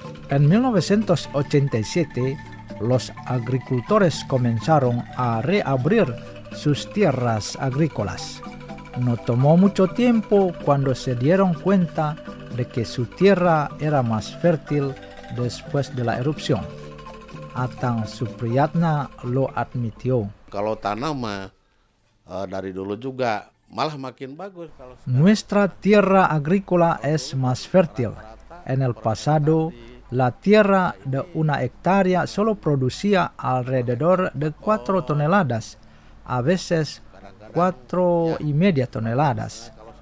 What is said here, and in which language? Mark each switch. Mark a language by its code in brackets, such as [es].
[es] En 1987, los agricultores comenzaron a reabrir sus tierras agrícolas. No tomó mucho tiempo cuando se dieron cuenta de que su tierra era más fértil después de la erupción. Atang Supriyatna lo admitió. [id] Kalau tanam dari dulu juga malah makin bagus. [es] Nuestra tierra agrícola es más fértil. En el pasado, la tierra de una hectárea solo producía alrededor de 4 toneladas, a veces 4.5 toneladas.